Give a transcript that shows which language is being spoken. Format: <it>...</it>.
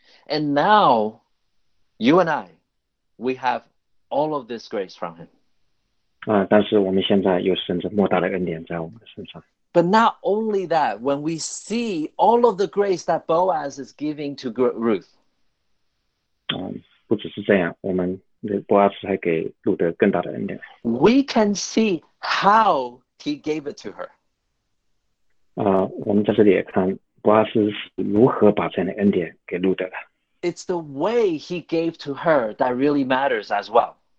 <en>And now, you and I, we have all of this grace from Him.</en> <zh>但是我们现在有神这莫大的恩典在我们的身上。</zh> <en>But not only that, when we see all of the grace that Boaz is giving to Ruth,</en> <zh>不只是这样，我们博阿斯还给路德更大的恩典。</zh> <en>We can see how he gave it to her.</en> <zh>我们在这里也看博阿斯是如何把这样的恩典给路德的。</zh> <en>It's the way he gave to her that really matters as well.</en>